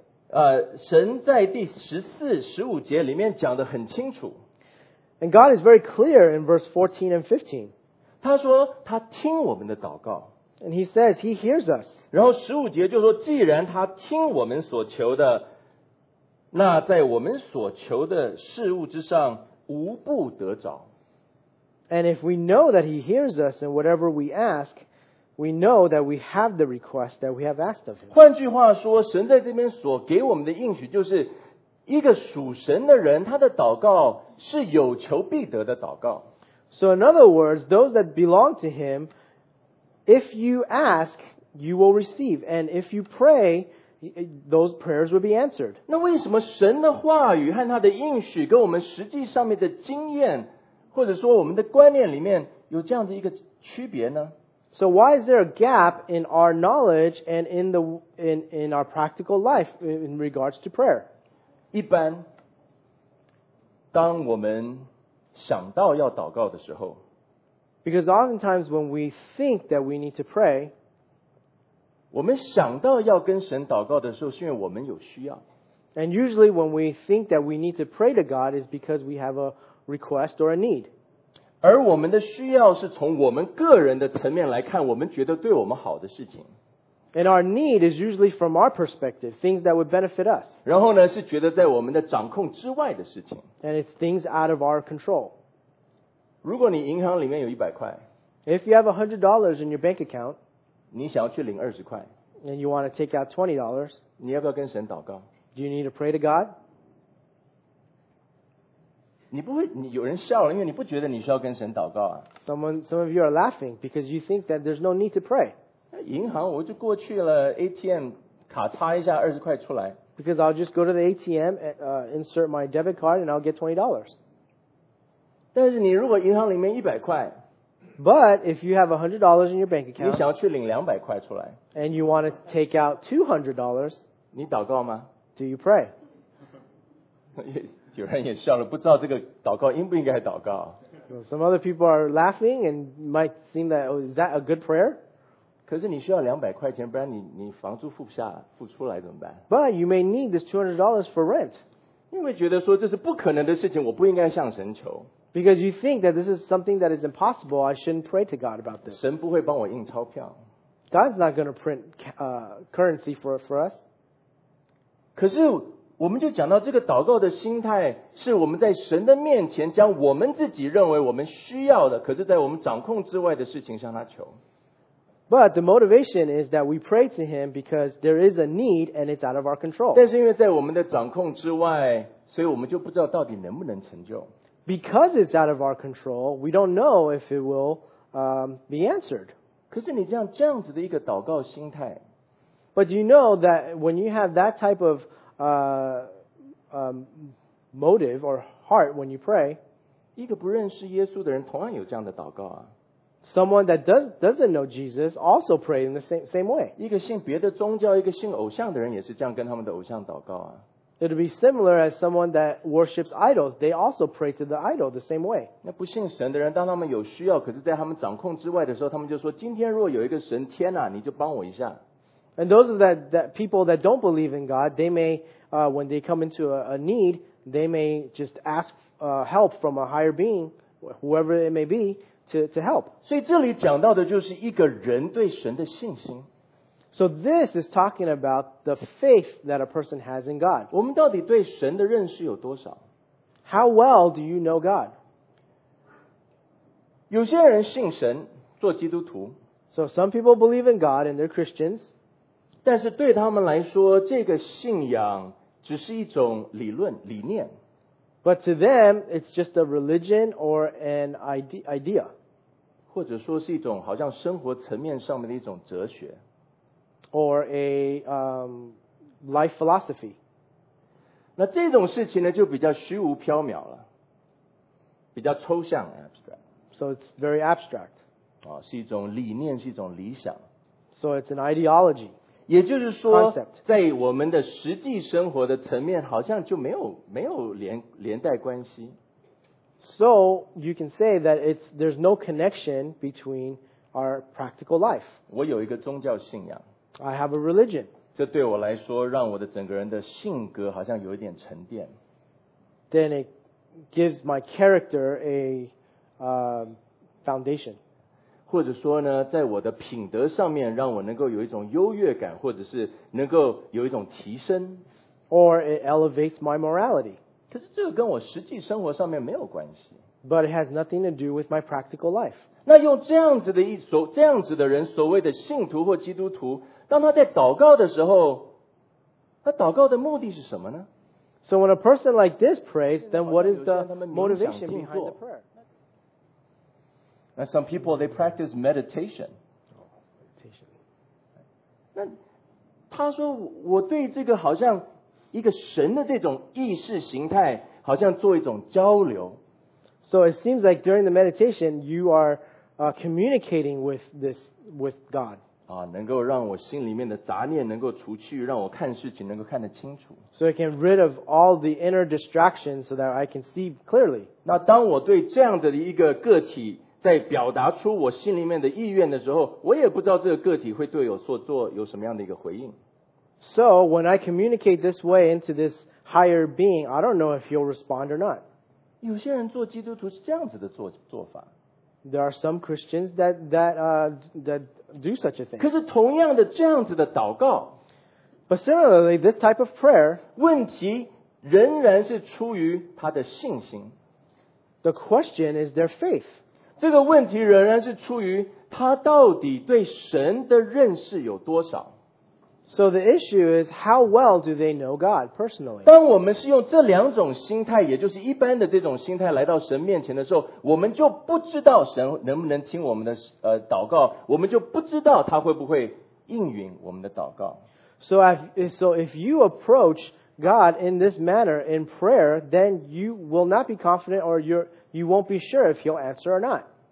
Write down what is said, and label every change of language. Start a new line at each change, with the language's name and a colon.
Chinese: 神在第十四、十五节里面讲得很清楚。
English: And God is very clear in verse 14 and 15.
Chinese: 他说他听我们的祷告。
English: And he says he hears us.
Chinese: 然后十五节就说既然他听我们所求的，那在我们所求的事物之上无不得着。
English: And if we know that he hears us and whatever we ask, we know that we have the request that we have asked of him.
Chinese: 换句话说，神在这边所给我们的应许就是一个属神的人，他的祷告是有求必得的祷告。
English: So in other words, those that belong to him, if you ask, you will receive. And if you pray, those prayers would be answered.
Chinese: 那为什么神的话语和他的应许跟我们实际上面的经验或者说我们的观念里面有这样的一个区别呢？
English: So why is there a gap in our knowledge and in our practical life in regards to prayer?
Chinese: 一般当我们想到要祷告的时候
English: Because oftentimes when we think that we need to pray,
Chinese: 我们想到要跟神祷告的时候是因为我们有需要。
English: And usually when we think that we need to pray to God is because we have a request or a need.
Chinese: 而我们的需要是从我们个人的层面来看我们觉得对我们好的事情。
English: And our need is usually from our perspective, things that would benefit us.
Chinese: 然后呢是觉得在我们的掌控之外的事情。
English: And it's things out of our control.
Chinese: 如果你银行里面有100块
English: If you have $100 in your bank account,
Chinese: 你想要去领20块
English: And you want to take out $20,
Chinese: 你要不要跟神祷告
English: Do you need to pray to God?
Chinese: 你不会你有人笑了因为你不觉得你需要跟神祷告啊
English: Some of you are laughing because you think that there's no need to pray.
Chinese: 银行我就过去了 ATM 卡插一下20块出来
English: Because I'll just go to the ATM insert my debit card and I'll get $20.
Chinese: 但是你如果银行里面100块
English: But if you have $100 in your bank account
Chinese: 你想要去领200块出来
English: And you want to take out $200
Chinese: 你祷告吗
English: Do you pray? Yes.
Chinese: 有人也笑了，不知道这个祷告应不应该祷告。
English: Some other people are laughing and might seem that, oh, is that a good prayer?
Chinese: 可是你需要200块钱，不然你房租付不下，付出来怎么办？
English: But you may need this $200 for rent.
Chinese: 因为觉得说这是不可能的事情，我不应该向神求。
English: Because you think that this is something that is impossible, I shouldn't pray to God about this.
Chinese: 神不会帮我印钞票。
English: God's not going to print currency for us.
Chinese: 可是我们就讲到这个祷告的心态是我们在神的面前将我们自己认为我们需要的可是在我们掌控之外的事情向他求。
English: But the motivation is that we pray to him because there is a need and it's out of our control.
Chinese: 但是因为在我们的掌控之外所以我们就不知道到底能不能成就。
English: Because it's out of our control, we don't know if it will be answered.
Chinese: 可是你这样子的一个祷告心态
English: But you know that when you have that type of motive or heart when you pray.
Chinese: 一个不认识耶稣的人同样有这样的祷告啊。
English: Someone that doesn't know Jesus also pray in the same way.
Chinese: 一个信别的宗教，一个信偶像的人也是这样跟他们的偶像祷告啊。
English: It'll be similar as someone that worships idols. They also pray to the idol the same way.
Chinese: 那不信神的人，当他们有需要，可是在他们掌控之外的时候，他们就说：今天若有一个神，天哪，你就帮我一下。
English: And those of that people that don't believe in God, they may, when they come into a need, they may just ask help from a higher being, whoever it may be, to help.
Chinese: 所以这里讲到的就是一个人对神的信心。
English: So this is talking about the faith that a person has in God.
Chinese: 我们到底对神的认识有多少？
English: How well do you know God?
Chinese: 有些人信神，做基督徒。
English: So some people believe in God and they're Christians.
Chinese: 但是对他们来说，这个信仰只是一种理论、理念。
English: But to them, it's just a religion or an idea.
Chinese: 或者说是一种好像生活层面上面的一种哲学。
English: Or a life philosophy.
Chinese: 那这种事情呢，就比较虚无缥缈了，比较抽象 abstract.
English: So it's very abstract.
Chinese: 哦，是一种理念，是一种理想。
English: So it's an ideology.
Chinese: 也就是说在我们的实际生活的层面好像就没有 连带关系。
English: So, you can say that there's no connection between our practical life.
Chinese: 我有一个宗教信仰。
English: I have a religion.
Chinese: 这对我来说让我的整个人的性格好像有一点沉淀。
English: Then it gives my character a foundation.
Chinese: 或者说呢，在我的品德上面，让我能够有一种优越感，或者是能够有一种提升。
English: Or it elevates my morality.
Chinese: 可是这个跟我实际生活上面没有关系。
English: But it has nothing to do with my practical life.
Chinese: 那用这样子的人，所谓的信徒或基督徒，当他在祷告的时候，他祷告的目的是什么呢？
English: So when a person like this prays, then what is the motivation behind the prayer? And some people, they practice meditation.
Chinese: 他说我对这个好像一个神的这种意识形态好像做一种交流。
English: So it seems like during the meditation, you are communicating with this with God.
Chinese: 啊，能够让我心里面的杂念能够除去，让我看事情能够看得清楚。
English: So it can rid of all the inner distractions so that I can see clearly.
Chinese: 那当我对这样的一个个体在表达出我心里面的意愿的时候，我也不知道这个个体会对我所做有什么样的一个回应。
English: So when I communicate this way into this higher being, I don't know if he'll respond or not.
Chinese: 有些人做基督徒是这样子的 做法。
English: There are some Christians that do such a thing.
Chinese: 可是同样的这样子的祷告，
English: But similarly, this type of prayer,
Chinese: 问题仍然是出于他的信心。
English: The question is their faith.
Chinese: 这个问题仍然是出于他到底对神的认识有多少。
English: So the issue is how well do they know God personally?
Chinese: 当我们是用这两种心态，也就是一般的这种心态来到神面前的时候，我们就不知道神能不能听我们的祷告，我们就不知道他会不会应允我们的祷告。
English: So if you approach God in this manner in prayer, then you will not be confident or you won't be sure if he'll answer or not.